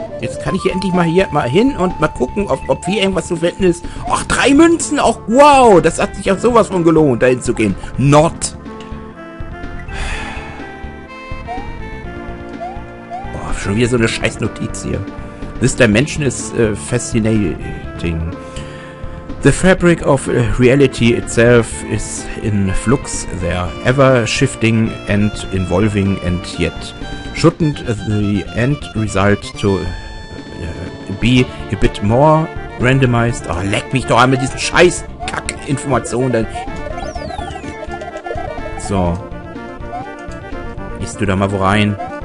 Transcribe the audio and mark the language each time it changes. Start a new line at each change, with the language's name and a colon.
German: Jetzt kann ich hier endlich mal hier mal hin und mal gucken, ob hier irgendwas zu finden ist. Ach, drei Münzen auch! Wow! Das hat sich auch sowas von gelohnt, dahin zu gehen. Not! Boah, schon wieder so eine scheiß Notiz hier.
English: This dimension is fascinating. The fabric of reality itself is in flux there, ever shifting and evolving and yet. Shouldn't the end result to be a bit more randomized?
German: Oh, leck mich doch einmal diesen scheiß Kack-Informationen dann. So. Gehst du da mal wo rein?